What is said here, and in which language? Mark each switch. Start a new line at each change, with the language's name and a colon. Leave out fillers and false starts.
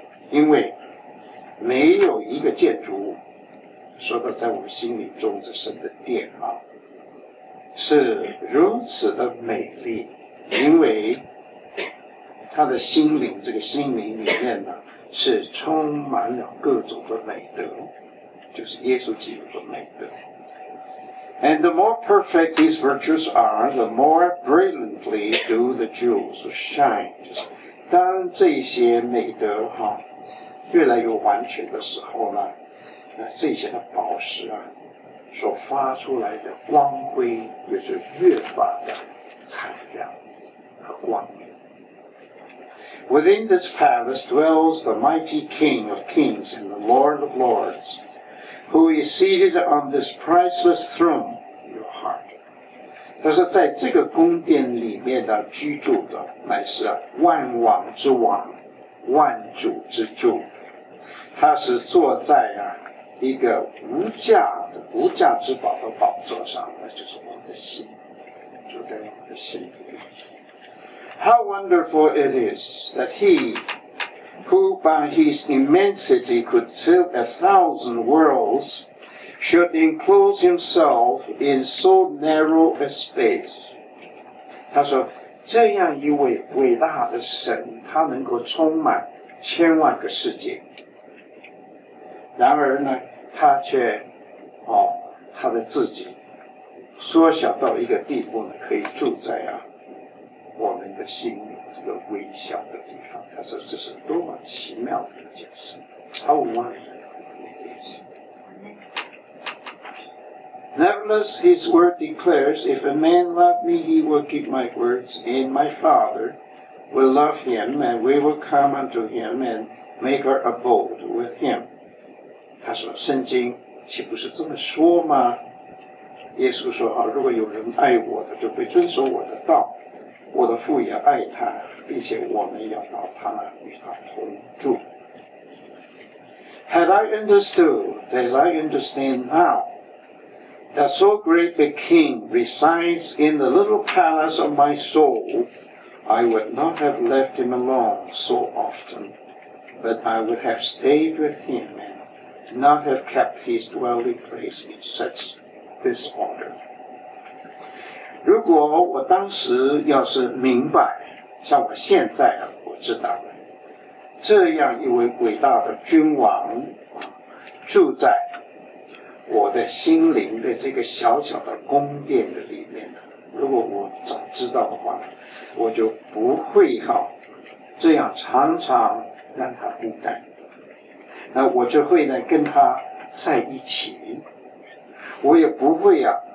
Chinese: 因为没有一个建筑物，说到在我们心里中的神的殿啊，是如此的美丽，因为它的心灵，这个心灵里面呢，是充满了各种的美德，就是耶稣基督的美德。
English: And the more perfect these virtues are, the more brilliantly do the jewels shine.
Chinese: 就是当这些美德哈越来越完全的时候呢，那这些的宝石啊所发出来的光辉也是越发的灿亮和光明。
English: Within this palace dwells the mighty King of Kings and the Lord of Lords. Who is seated on this priceless throne, your heart.
Chinese: 他说在这个宫殿里面的居住的乃是万王之王，万主之主。他是坐在啊一个无价的无价之宝的宝座上，那就是我们的心，坐在我们的心里面。
English: How wonderful it is that he,who by his immensity could fill 1,000 worlds, should enclose himself in so narrow a space.
Chinese: 他说这样一位伟大的神，他能够充满千万个世界。然而呢，他却他的自己缩小到一个地步呢，可以住在啊我们的心里。这个微小的地方，他说这是多么奇妙的一件事。
English: How wonderful it is. Nevertheless, his word declares, if a man love me, he will keep my words, and my Father will love him, and we will come unto him and make our abode with him.
Chinese: 他说圣经岂不是这么说吗？耶稣说啊，如果有人爱我的，就会遵守我的道。我的父也爱他，并且我们要到他那与他同住。
English: Had I understood, as I understand now, that so great a king resides in the little palace of my soul, I would not have left him alone so often, but I would have stayed with him and not have kept his dwelling place in such disorder.
Chinese: 如果我当时要是明白，像我现在啊，我知道了，这样一位伟大的君王住在我的心灵的这个小小的宫殿的里面，如果我早知道的话，我就不会哈这样常常让他孤单，那我就会呢跟他在一起，我也不会啊。